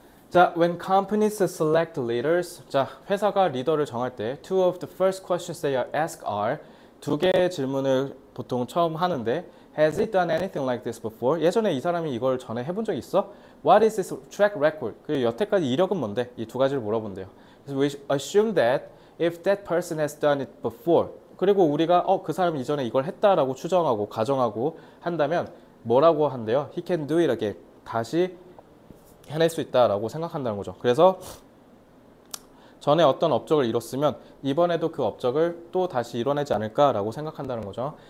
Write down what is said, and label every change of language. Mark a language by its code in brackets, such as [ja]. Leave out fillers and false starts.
[en] 자, when companies select leaders, [ko] 자, 회사가 리더를 정할 때 [en] two of the first questions they ask are [ko] 두 개의 질문을 보통 처음 하는데 [en] has it done anything like this before? [ko] 예전에 이 사람이 이걸 전에 해본 적 있어? [en] What is his track record? [ko] 그 여태까지 이력은 뭔데? 이두 가지를 물어본대요. [en] So we assume that if that person has done it before. [ko] 그리고 우리가 그 사람이 이전에 이걸 했다라고 추정하고 가정하고 한다면 뭐라고 한대요? [en] He can do it again. [ko] 다시 해낼 수 있다라고 생각한다는 거죠. 그래서 전에 어떤 업적을 이뤘으면 이번에도 그 업적을 또 다시 이뤄내지 않을까라고 생각한다는 거죠.